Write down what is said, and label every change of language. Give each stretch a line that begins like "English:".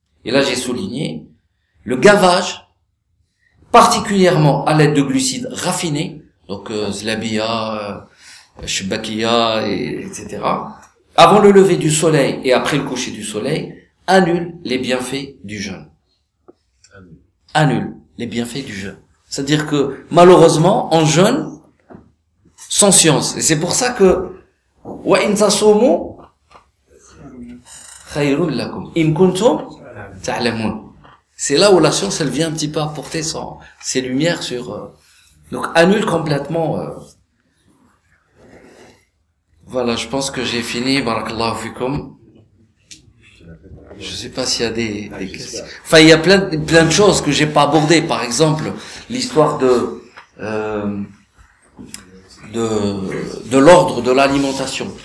French: Et là j'ai souligné le gavage, particulièrement à l'aide de glucides raffinés, donc zlabia, shebakia, etc., avant le lever du soleil et après le coucher du soleil, annule les bienfaits du jeûne. Annule les bienfaits du jeûne. C'est-à-dire que, malheureusement, on jeûne sans science. Et c'est pour ça que,
Arabic: وَإِنْ تَصُومُوا خَيْرٌ لَكُمْ إِنْ كُنْتُمْ تَعْلَمُونَ.
French: C'est là où la science, elle vient un petit peu apporter ses lumières sur... Donc, annule complètement... Voilà, je pense que j'ai fini.
Arabic: بَرَكَ fikum.
French: Je sais pas s'il y a des questions. Enfin, il y a plein de choses que j'ai pas abordées. Par exemple, l'histoire de l'ordre de l'alimentation.